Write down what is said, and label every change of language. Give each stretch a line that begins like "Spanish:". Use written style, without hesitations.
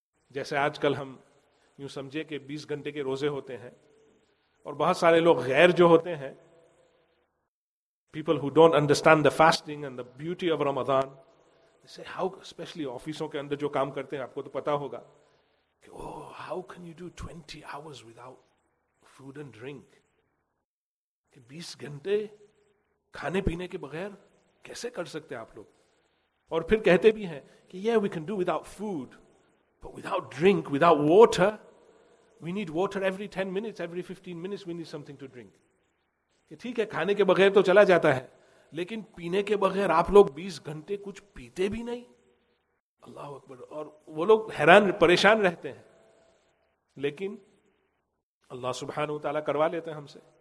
Urdu: جیسے آج کل ہم یوں سمجھے کہ 20 گھنٹے کے روزے ہوتے ہیں اور بہت سارے لوگ غیر جو ہوتے ہیں,
English: people who don't understand the fasting and the beauty of Ramadan, say how,
Urdu: especially آفیسوں کے اندر جو کام کرتے ہیں, آپ کو تو پتا ہوگا کہ
English: oh, how can you do 20 hours without food and drink,
Urdu: کہ 20 گھنٹے کھانے پینے کے بغیر کیسے کر سکتے آپ لوگ. اور پھر کہتے بھی ہیں کہ
English: yeah we can do without food but without drink, without water, we need water every 10 minutes, every 15 minutes we need something to drink.
Urdu: کہ ٹھیک ہے کھانے کے بغیر تو چلا جاتا ہے لیکن پینے کے بغیر آپ لوگ 20 گھنٹے کچھ پیتے بھی نہیں. اللہ اکبر. اور وہ لوگ حیران پریشان رہتے ہیں لیکن اللہ سبحانہ وتعالی کروا لیتے ہیں ہم سے.